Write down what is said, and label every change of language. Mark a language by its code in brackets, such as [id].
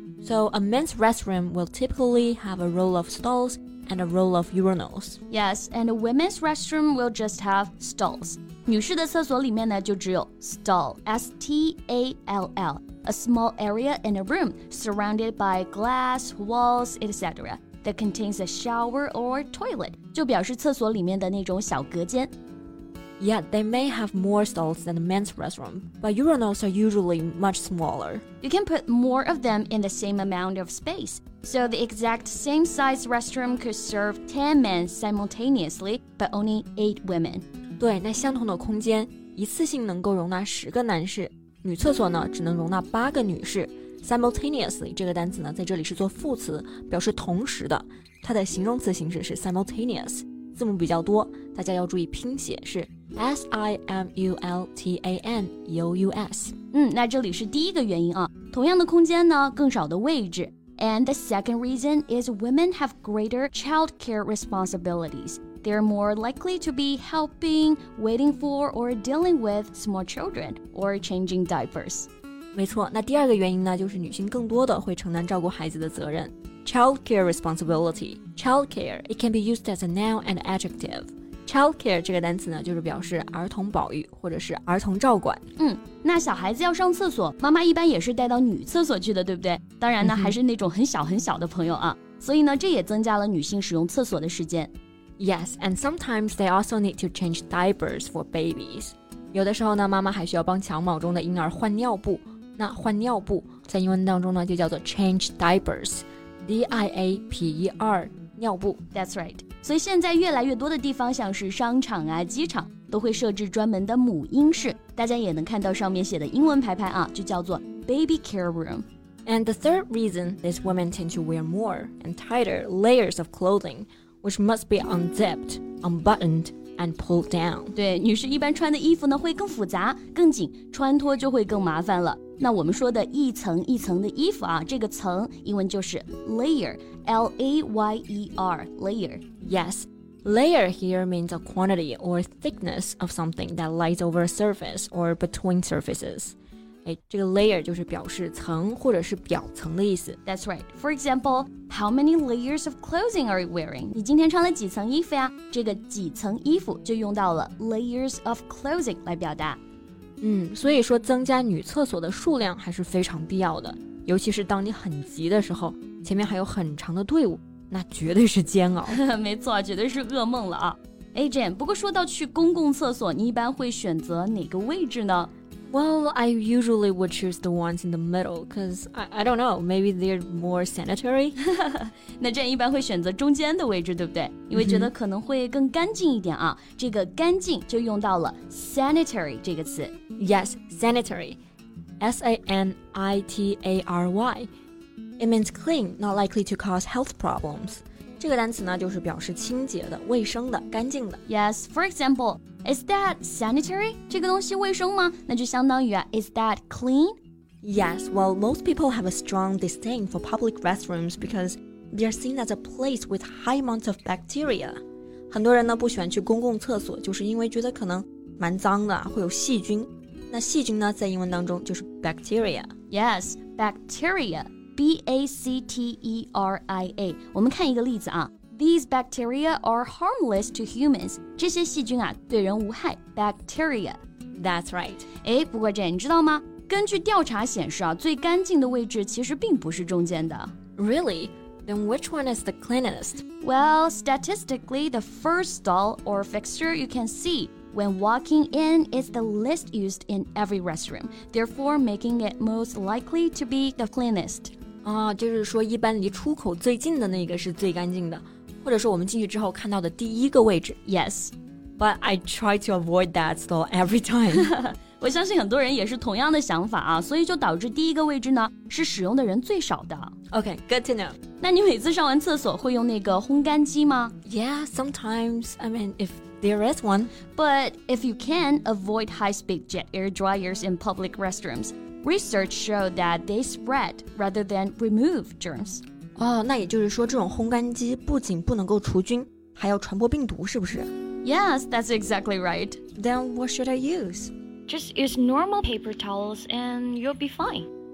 [en] So a men's restroom will typically have a row of stalls and a row of urinals. Yes, and a women's restroom will just have stalls. [zh] 女士的厕所里面呢就只有 [en] stall, S-T-A-L-L, a small area in a room surrounded by glass, walls, etc. that contains a shower or toilet, [zh] 就表示厕所里面的那种小隔间。 [en] Yeah, they may have more stalls than the men's restroom, but urinals are usually much smaller. You can put more of them in the same amount of space. So the exact same size restroom could serve 10 men simultaneously, but only 8 women. [zh] 对，那相同的空间一次性能够容纳10个男士，女厕所呢只能容纳8个女士。 Simultaneously 这个单词呢在这里是做副词，表示同时的，它的形容词形式是 simultaneous， 字母比较多，大家要注意拼写是 S-I-M-U-L-T-A-N-E-O-U-S。嗯，那这里是第一个原因啊，同样的空间呢更少的位置。 [en] And the second reason is women have greater childcare responsibilitiesThey're more likely to be helping, waiting for, or dealing with small children, or changing diapers. [zh] 没错，那第二个原因呢，就是女性更多的会承担照顾孩子的责任。 [en] Childcare responsibility. Childcare, it can be used as a noun and adjective. [zh] Childcare 这个单词呢，就是表示儿童保育或者是儿童照管。嗯，那小孩子要上厕所，妈妈一般也是带到女厕所去的，对不对？当然呢，还是那种很小很小的朋友啊。所以呢，这也增加了女性使用厕所的时间。 [en] Yes, and sometimes they also need to change diapers for babies. [zh] 有的时候呢，妈妈还需要帮襁褓中的婴儿换尿布。那换尿布在英文当中呢，就叫做 change diapers, D-I-A-P-E-R, 尿布。 [en] That's right. [zh] 所以现在越来越多的地方，像是商场啊、机场，都会设置专门的母婴室。大家也能看到上面写的英文牌牌啊，就叫做 baby care room. [en] And the third reason is women tend to wear more and tighter layers of clothing, which must be unzipped, unbuttoned, and pulled down. [zh] 对，女士一般穿的衣服呢会更复杂、更紧，穿脱就会更麻烦了。那我们说的一层一层的衣服啊，这个层英文就是 layer, L-A-Y-E-R, layer. [en] Yes, layer here means a quantity or thickness of something that lies over a surface or between surfaces. [zh] 哎，这个 layer 就是表示层或者是表层的意思。 [en] That's right. For example, how many layers of clothing are you wearing? [zh] 你今天穿了几层衣服呀？这个几层衣服就用到了 layers of clothing 来表达。嗯，所以说增加女厕所的数量还是非常必要的，尤其是当你很急的时候，前面还有很长的队伍，那绝对是煎熬。没错，绝对是噩梦了啊。哎 ，Jen， 不过说到去公共厕所，你一般会选择哪个位置呢？ [en] Well, I usually would choose the ones in the middle, because I don't know, maybe they're more sanitary. [zh] 那这样一般会选择中间的位置，对不对？因为觉得可能会更干净一点啊。这个干净就用到了 sanitary 这个词。 [en] Yes, sanitary. S-A-N-I-T-A-R-Y. It means clean, not likely to cause health problems. [zh] 这个单词呢就是表示清洁的、卫生的、干净的。 [en] Yes, for example, is that sanitary? [zh] 这个东西卫生吗？那就相当于啊 [en] is that clean? Yes, well, most people have a strong disdain for public restrooms because they are seen as a place with high amounts of bacteria. [zh] 很多人呢不喜欢去公共厕所，就是因为觉得可能蛮脏的，会有细菌。那细菌呢在英文当中就是 bacteria. [en] Yes, bacteria. [zh] B-A-C-T-E-R-I-A. 我们看一个例子啊。 [en] These bacteria are harmless to humans. [zh] 这些细菌啊对人无害。Bacteria. [en] That's right. [zh] 哎，不过 Jen, 你知道吗？根据调查显示啊，最干净的位置其实并不是中间的。 [en] Really? Then which one is the cleanest? Well, statistically, the first stall or fixture you can see when walking in is the least used in every restroom, therefore making it most likely to be the cleanest. [zh] 啊，就是说一般离出口最近的那个是最干净的，或者说我们进去之后看到的第一个位置。 [en] Yes, but I try to avoid that stall every time. [zh] 我相信很多人也是同样的想法啊，所以就导致第一个位置呢是使用的人最少的。 [en] Okay, good to know. [zh] 那你每次上完厕所会用那个烘干机吗？ [en] Yeah, sometimes. I mean, if there is one. But if you can, avoid high-speed jet air dryers in public restrooms. Research showed that they spread rather than remove germs. [zh] 哦，那也就是说，这种烘干机不仅不能够除菌，还要传播病毒，是不是？ [en] Yes, that's exactly right. Then what should I use? Just use normal paper towels and you'll be fine.